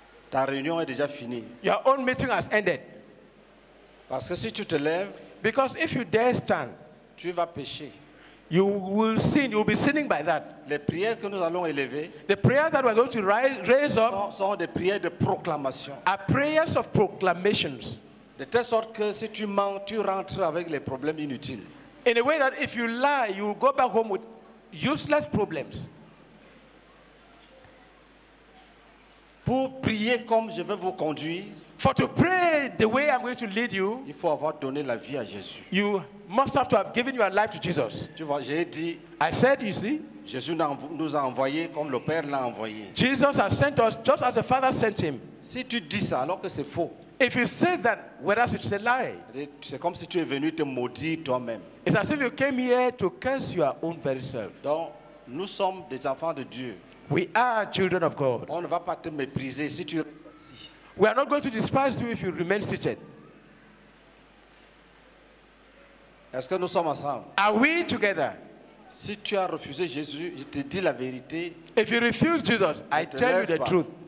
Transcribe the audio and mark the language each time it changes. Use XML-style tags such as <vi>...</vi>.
<fr>Ta réunion est déjà finie.</fr> <en>Your own meeting has ended.</en> <fr>Parce que si tu te lèves,</fr> <en>because if you dare stand,</en> <fr>tu vas pécher.</fr> <en>You will sin. You will be sinning by that.</en> <fr>Les prières que nous allons élever,</fr> <en>the prayers that we are going to raise up,</en> <fr>sont des prières de proclamation.</fr> <en>Are prayers of proclamations.</en> <fr>De telle sorte que si tu mens, tu rentres avec les problèmes inutiles.</fr> <en>In a way that if you lie, you will go back home with useless problems.</en> <fr>Pour prier comme je vais vous conduire,</fr> <en>for to pray the way I'm going to lead you,</en> <fr>il faut avoir donné la vie à Jésus.</fr> <en>You must have to have given your life to Jesus.</en> <fr>Tu vois, j'ai dit,</fr> <en>I said, you see,</en> <fr>Jésus nous a envoyé comme le Père l'a envoyé.</fr> <en>Jesus has sent us just as the Father sent him.</en> <fr>Si tu dis ça alors que c'est faux,</fr> <en>if you say that, whereas it's a lie,</en> <fr>c'est comme si tu es venu te maudire toi-même.</fr> <en>It's as if you came here to curse your own very self.</en> <fr>Donc, nous sommes des enfants de Dieu.</fr> <en>We are children of God.</en> <fr>On ne va pas te mépriser si tu.</fr> <en>We are not going to despise you if you remain seated.</en> <fr>Est-ce que nous sommes ensemble?</fr> <en>Are we together?</en> <fr>Si tu as refusé Jésus, je te dis la vérité.</fr> <en>If you refuse Jesus, I tell you the truth.</en>